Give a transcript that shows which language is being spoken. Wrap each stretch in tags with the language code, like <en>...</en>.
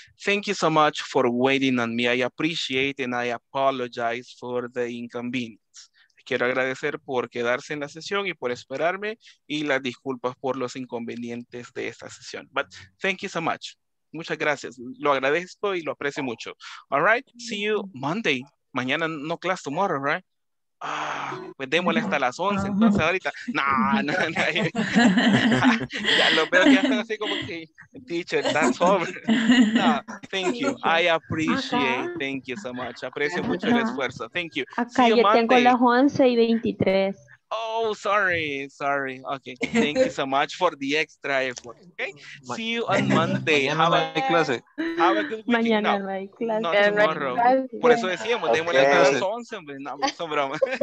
<en>Thank you so much for waiting on me. I appreciate and I apologize for the inconvenience.</en> <es>Quiero agradecer por quedarse en la sesión y por esperarme y las disculpas por los inconvenientes de esta sesión.</es> <en>But thank you so much.</en> <es>Muchas gracias. Lo agradezco y lo aprecio mucho. All right.</es> <en>See you Monday.</en> <es>Mañana</es> <en>no class tomorrow, right?</en> <es>Ah, pues démosle hasta las 11, entonces ahorita, no, ya lo veo que hacen así como que, teacher,</es> <en>that's over. No, thank you, I appreciate, thank you so much,</en> <es>aprecio mucho el esfuerzo,</es> <en>thank you.</en> <es>Acá yo tengo las 11 y 23.</es> <en>Oh, sorry, okay, thank you so much for the extra effort, okay? See you on Monday, have a good week.</en> <es>Mañana no hay clase.</es> <en>No, tomorrow.</en> <es>Por eso decíamos, démosle a las 11, hombre, no, son bromas.</es>